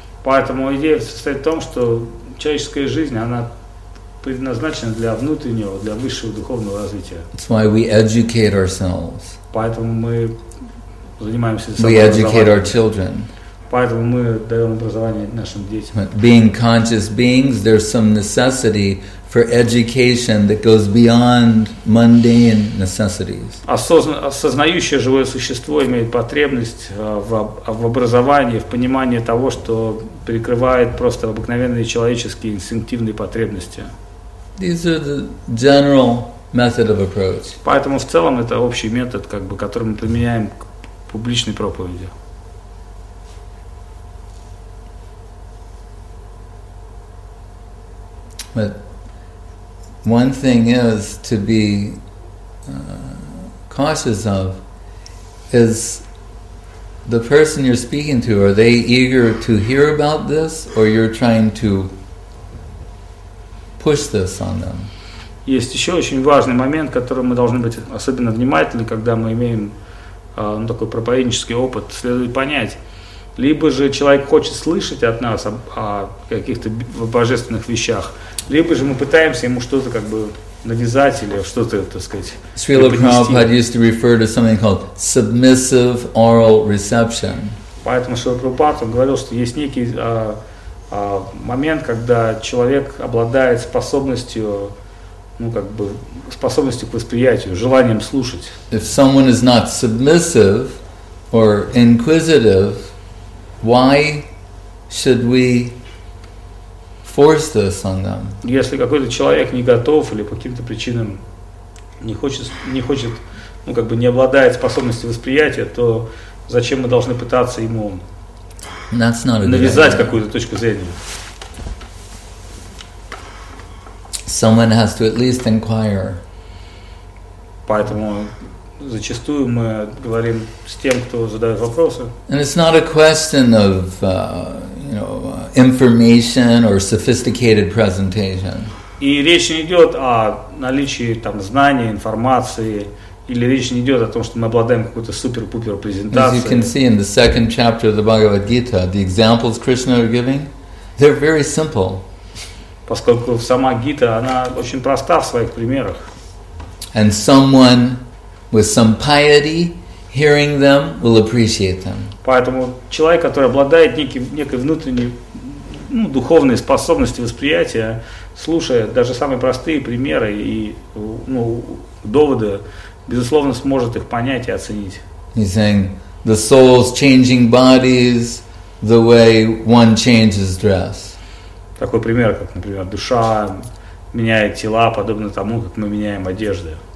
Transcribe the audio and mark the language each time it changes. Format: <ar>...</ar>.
<ru>Поэтому идея состоит в том, что человеческая жизнь, она предназначена для внутреннего, для высшего духовного развития.</ru> <en>That's why we educate ourselves.</en> <ru>Поэтому мы занимаемся самообразованием.</ru> <en>We educate our children.</en> <ru>Поэтому мы даем образование нашим детям.</ru> <en>But being conscious beings, there's some necessity for education that goes beyond mundane necessities.</en> <ru>Осознающее живое существо имеет потребность в образовании, в понимании того, что перекрывает просто обыкновенные человеческие инстинктивные потребности.</ru> <en>These are the general method of approach.</en> <ru>Поэтому в целом это общий метод, как бы, который мы применяем к публичной проповеди.</ru> <en>But one thing is to be cautious of is the person you're speaking to, are they eager to hear about this or you're trying to push this on them?</en> <ru>Есть еще очень важный момент, к которому мы должны быть особенно внимательны, когда мы имеем такой проповеднический опыт, следует понять. Либо же человек хочет слышать от нас о каких-то божественных вещах, либо же мы пытаемся ему что-то как бы навязать или что-то, так сказать,</ru> <en>Srila Prabhupada used to refer to something called submissive oral reception.</en> <ru>Поэтому Srila Prabhupada говорил, что есть некий момент, когда человек обладает способностью, ну как бы, способностью к восприятию, желанием слушать.</ru> <en>If someone is not submissive or inquisitive, why should we force this on them?</en> <ru>Если какой-то человек не готов или по каким-то причинам не хочет, ну как бы не обладает способностью восприятия, то зачем мы должны пытаться ему навязать какую-то точку зрения?</ru> <en>Someone has to at least inquire.</en> <ru>Поэтому зачастую мы говорим с тем, кто задает вопросы.</ru> <en>And it's not a question of, information or sophisticated presentation.</en> <ru>И речь не идет о наличии там знания, информации, или речь не идет о том, что мы обладаем какой-то супер-пупер презентацией.</ru> <en>As you can see in the second chapter of the Bhagavad Gita, the examples Krishna are giving, they're very simple.</en> <ru>Поскольку сама Гита, она очень проста в своих примерах.</ru> <en>And someone with some piety hearing them will appreciate them.</en> <ru>Поэтому человек, который обладает некой внутренней, ну, духовной способностью восприятия, слушая даже самые простые примеры и, ну, доводы, безусловно, сможет их понять и оценить.</ru> <en>He's saying the soul's changing bodies the way one changes dress.</en> <ru>Такой пример, как, например, душа меняет тела, подобно тому, как мы меняем одежды.</ru>